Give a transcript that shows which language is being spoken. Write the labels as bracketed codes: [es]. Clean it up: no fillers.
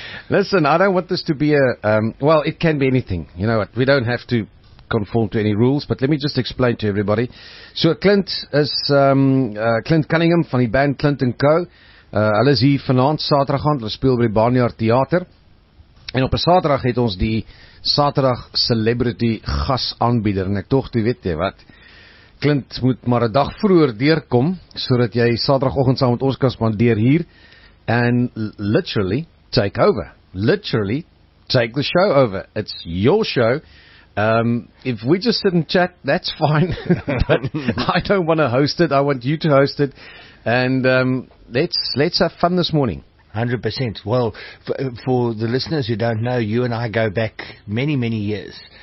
[en] Listen, I don't want this to be a, well, it can be anything. You know what? We don't have to conform to any rules, but let me just explain to everybody. So Clint is Clint Cunningham [af] van die band [en] Clint & Co. [af] Hulle is hier vanavond Saterdag aan, hulle speel by die Barnyard Theater, en op 'n Saterdag het ons die Saterdag Celebrity gas aanbieder, en ek tog, jy weet jy wat, Clint moet maar 'n dag vroeër deurkom sodat jy Saterdagoggend saam met ons kan spandeer hier [en] and literally take over. Literally take the show over. It's your show. If we just sit and chat, that's fine. I don't want to host it. I want you to host it. And let's have fun this morning. 100%. Well, for the listeners who don't know, you and I go back many, many years.